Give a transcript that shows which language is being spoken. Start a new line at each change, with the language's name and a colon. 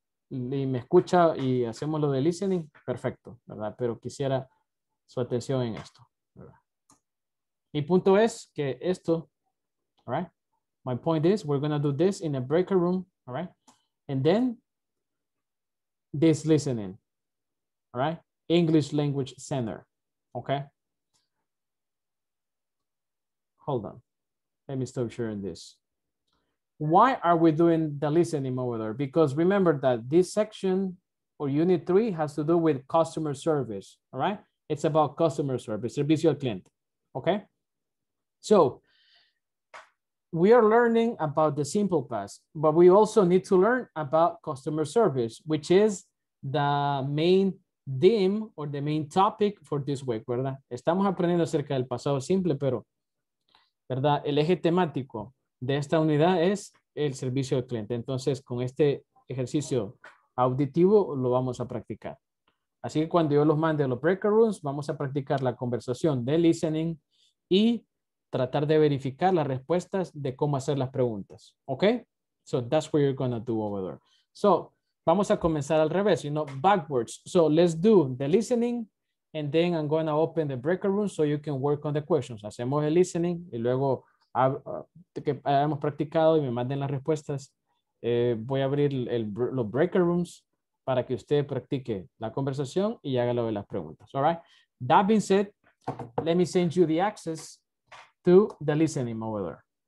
Spanish: Y me escucha y hacemos lo de listening. Perfecto, ¿verdad? Pero quisiera su atención en esto, ¿verdad? Mi punto es que esto
English: All right. My point is, we're going to do this in a breaker room. All right. And then this listening. All right. English Language Center. Okay. Hold on. Let me stop sharing this. Why are we doing the listening over there? Because remember that this section or unit 3 has to do with customer service. All right. It's about customer service,
Spanish: servicio al cliente.
English: Okay. So we are learning about the simple past, but we also need to learn about customer service, which is the main theme or the main topic for this week, ¿verdad?
Spanish: Estamos aprendiendo acerca del pasado simple, pero, ¿verdad? El eje temático de esta unidad es el servicio al cliente. Entonces, con este ejercicio auditivo lo vamos a practicar. Así que cuando yo los mande a los breaker rooms, vamos a practicar la conversación de listening y tratar de verificar las respuestas de cómo hacer las preguntas. ¿Ok?
English: So that's what you're going to do over there. So
Spanish: vamos a comenzar al revés,
English: you know, backwards. So let's do the listening and then I'm going to open the breaker room so you can work on the questions.
Spanish: Hacemos el listening y luego que hayamos practicado y me manden las respuestas. Voy a abrir los breaker rooms para que usted practique la conversación y haga lo de las preguntas.
English: All right. That being said, let me send you the access to the listening over there.